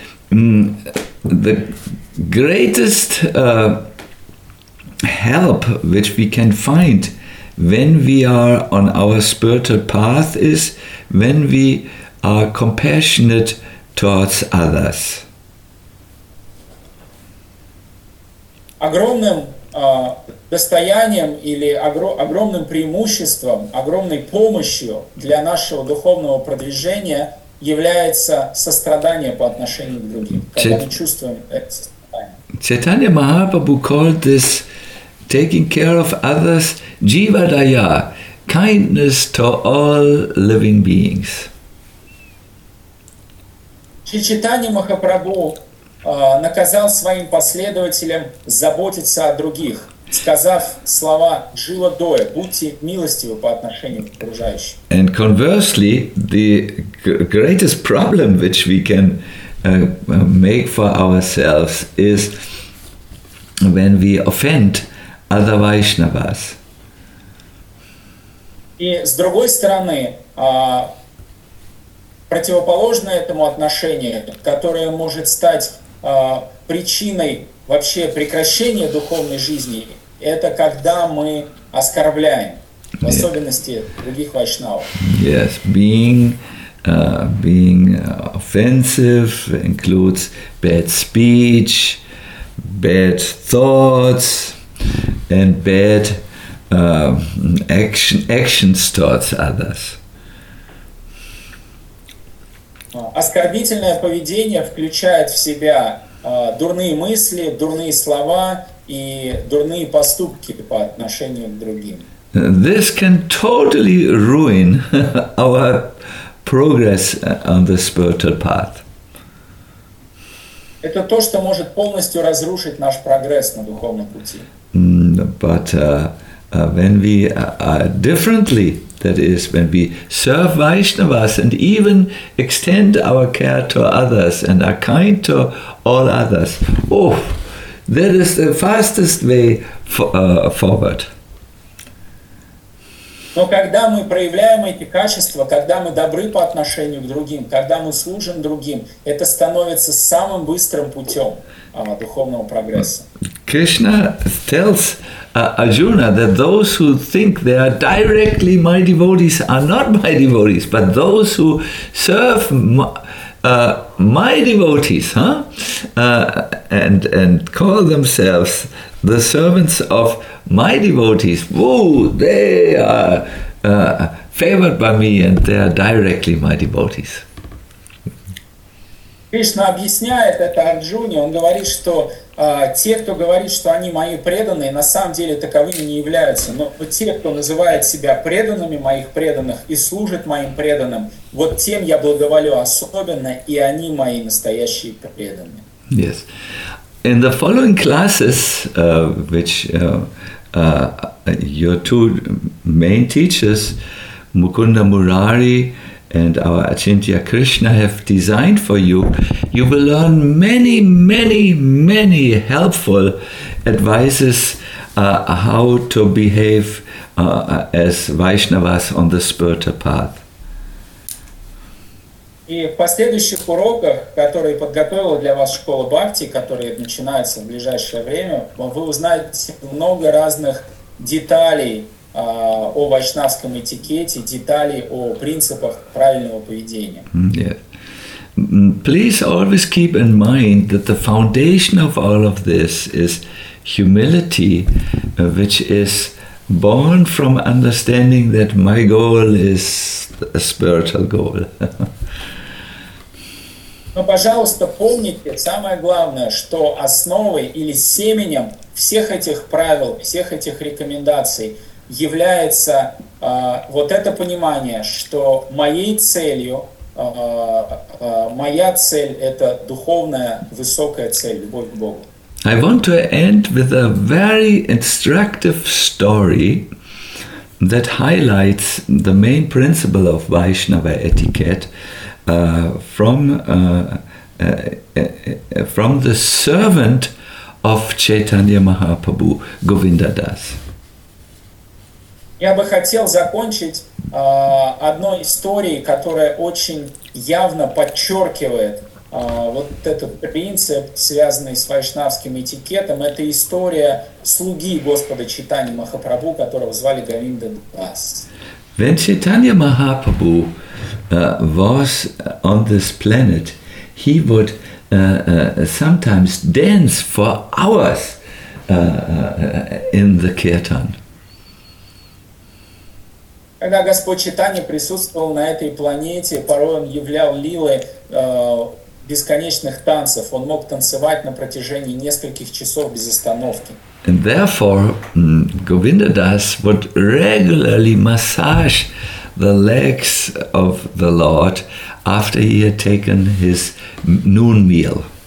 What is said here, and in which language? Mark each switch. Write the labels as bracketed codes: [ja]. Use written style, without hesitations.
[en] The greatest help which we can find when we are on our spiritual path is when we are compassionate towards others. [ru] Огромным достоянием или огромным преимуществом, огромной помощью для нашего духовного продвижения является сострадание по отношению к другим, когда мы чувствуем это сострадание. [en] Chaitanya Mahaprabhu called this taking care of others jiva daya, kindness to all living beings. [ru] Шри Чайтанья Махапрабху наказал своим последователям заботиться о других, сказав слова «жила доя», «будьте милостивы по отношению к окружающим». [en] And conversely, the greatest problem which we can make for ourselves is when we offend other Vaishnavas. [ru] И с другой стороны, противоположное этому отношение, которое может стать причиной вообще прекращения духовной жизни, это когда мы оскорбляем, в особенности других вайшнавов. [en] Yes, being offensive includes bad speech, bad thoughts, and bad actions towards others. [ru] Оскорбительное поведение включает в себя дурные мысли, дурные слова и дурные поступки по отношению к другим. [en] This can totally ruin our progress on the spiritual path. [ru] Это то, что может полностью разрушить наш прогресс на духовном пути. [en] But when we are differently, that is, when we serve Vaishnavas and even extend our care to others and are kind to all others, oh, that is the fastest way forward. [ru] Но когда мы проявляем эти качества, когда мы добры по отношению к другим, когда мы служим другим, это становится самым быстрым путем духовного прогресса. [en] Krishna tells Arjuna that those who think they are directly my devotees are not my devotees, but those who serve my devotees, huh? And call themselves the servants of my devotees, woo, they are favored by me and they are directly my devotees. [ru] Кришна объясняет это Арджуне, он говорит, что те, кто говорит, что они мои преданные, на самом деле таковыми не являются, но те, кто называет себя преданными моих преданных и служит моим преданным, вот тем я благоволю особенно, и они мои настоящие преданные. Yes. [en] In the following classes, which your two main teachers, Mukunda Murari and our Achintya Krishna, have designed for you, you will learn many, many, many helpful advices how to behave as Vaishnavas on the spiritual path. [ru] И в последующих уроках, которые подготовила для вас школа Бхакти, которые начинаются в ближайшее время, вы узнаете много разных деталей о вайшнавском этикете, деталей о принципах правильного поведения. Yeah. [en] Please always keep in mind that the foundation of all of this is humility, which is born from understanding that my goal is a spiritual goal. [ru] Но, пожалуйста, помните самое главное, что основой или семенем всех этих правил, всех этих рекомендаций является вот это понимание, что моей целью, моя цель – это духовная высокая цель, любовь к Богу. [en] I want to end with a very instructive story that highlights the main principle of Vaishnava etiquette. From the servant of Chaitanya Mahaprabhu, Govinda Das. [ru] Я бы хотел закончить одной историей, которая очень явно подчеркивает вот этот принцип, связанный с вайшнавским этикетом. Это история слуги Господа Чайтаньи Махапрабху, которого звали Говинда Дас. [en] When Chaitanya Mahaprabhu was on this planet, he would sometimes dance for hours in the kirtan. [ru] Когда Господь Чайтанья присутствовал на этой планете, порой он являл лилы бесконечных танцев. Он мог танцевать на протяжении нескольких часов без остановки. [en] And therefore, Govinda Das would regularly massage the legs of the Lord after he had taken his noon meal.